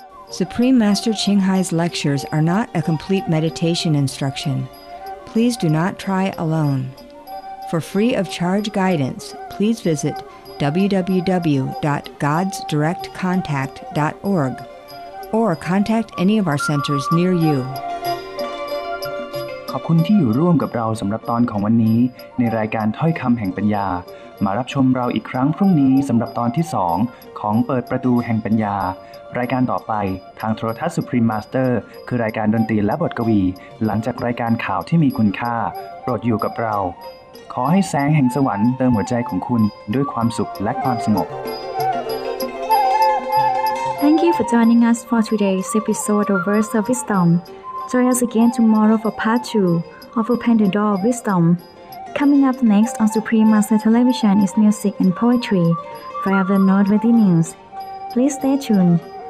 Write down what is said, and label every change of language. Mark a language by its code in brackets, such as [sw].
[en] Supreme Master Qinghai's lectures are not a complete meditation instruction. Please do not try alone. For free of charge guidance, please visit www.godsdirectcontact.org or contact any of our centers near you. [th] ขอบคุณที่อยู่ร่วมกับเราสำหรับตอนของวันนี้ในรายการถ้อยคำแห่งปัญญามารับชมเราอีกครั้งพรุ่งนี้สำหรับตอนที่2ของเปิดประตูแห่งปัญญารายการต่อไปทางโทรทัศน์ Supreme Master คือรายการดนตรีและบทกวีหลังจากรายการข่าวที่มีคุณค่าโปรดอยู่กับเราขอให้แสงแห่งสวรรค์เติมหัวใจของคุณด้วยความสุขและความสงบ [en] Thank you for joining us for today's episode of Words of Wisdom Join us again tomorrow for part 2 of Open the Door of WisdomComing up next on Supreme Master Television is Music and Poetry via the Noteworthy News. Please stay tuned.